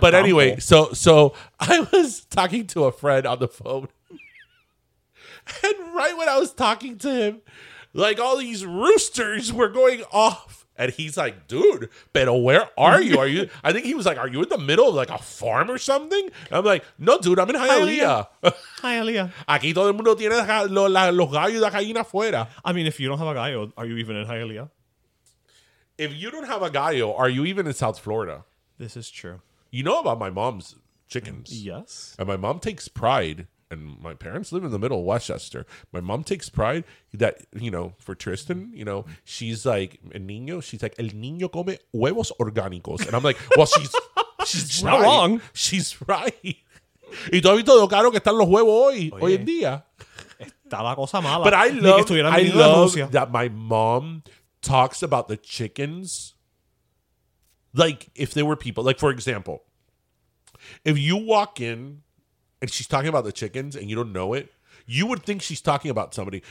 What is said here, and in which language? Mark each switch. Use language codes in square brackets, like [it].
[en] But anyway, so I was talking to a friend on the phone. And right when I was talking to him, like, all these roosters were going off. And he's like, dude, pero where are you? I think he was like, are you in the middle of like a farm or something? And I'm like, no, dude, I'm in Hialeah. Hialeah. [es] Aquí todo el mundo tiene los gallos y la gallina afuera. [en] I mean, if you don't have a gallo, are you even in Hialeah? If you don't have a gallo, are you even in South Florida? This is true. You know about my mom's chickens. Yes. And my mom takes pride. And my parents live in the middle of Westchester. My mom takes pride that, you know, for Tristan, you know, she's like, el niño, she's like, [es] el niño come huevos orgánicos. [en] And I'm like, well, she's right. Not wrong. She's right. [es] Y tú has visto lo caro que están los huevos hoy en día. Está la cosa mala. [en] But I love that my mom talks about the chickens like if they were people. Like, for example, if you walk in, and she's talking about the chickens, and you don't know it, you would think she's talking about somebody.